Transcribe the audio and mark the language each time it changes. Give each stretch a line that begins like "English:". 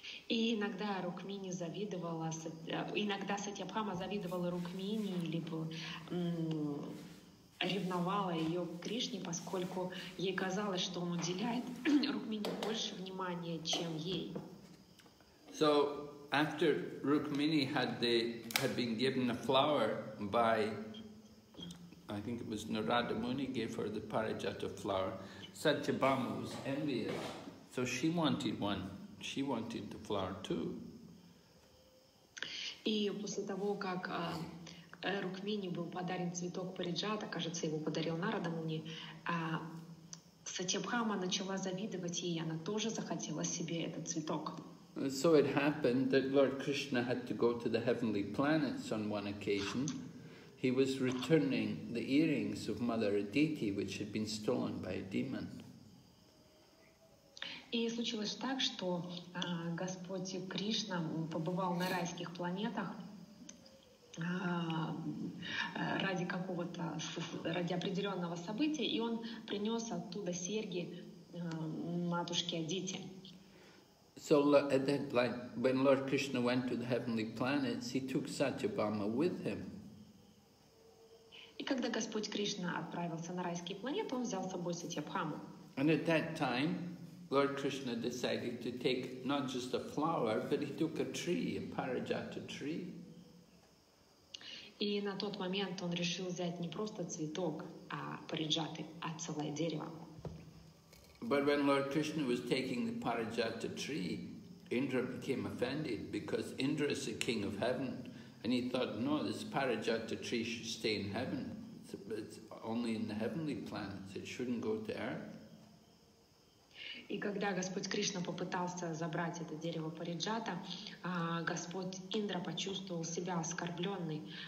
Russian: И иногда Рукмини завидовала, иногда Сатьябхама завидовала Рукмини, либо ревновала ее к Кришне, поскольку ей казалось, что он уделяет Рукмини больше внимания, чем ей.
English: So after Rukmini had been given a flower by, I think it was Narada Muni gave her the Parijata flower, Satyabhama was envious, so she wanted one. She wanted the flower too.
Russian: И после того, как Рукмини был подарен цветок Париджата, кажется, его подарил Нарада Муни, Сатьябхама начала завидовать ей, она тоже захотела себе этот цветок.
English: So it happened that Lord Krishna had to go to the heavenly planets on one occasion. He was returning the earrings of Mother Aditi, which had been stolen by a demon.
Russian: И случилось так, что Господь Кришна побывал на райских планетах ради определенного события, и он принес оттуда серьги матушке Адити.
English: So then, like when Lord Krishna went to the heavenly planets, he took Satyabhama with him.
Russian: И когда Господь Кришна отправился на райские планеты, он взял с собой Сатьябхаму.
English: And at that time, Lord Krishna decided to take not just a flower, but he took a tree, a Parijata tree.
Russian: И на тот момент он решил взять не просто цветок, а Париджаты, а целое дерево.
English: But when Lord Krishna was taking the Parijata tree, Indra became offended because Indra is the king of heaven. And he thought, no, this Parijata tree should stay in heaven. It's only in the heavenly planets. It shouldn't go to earth.
Russian: И когда Господь Кришна попытался забрать это дерево Париджата, Господь Индра почувствовал себя оскорбленный.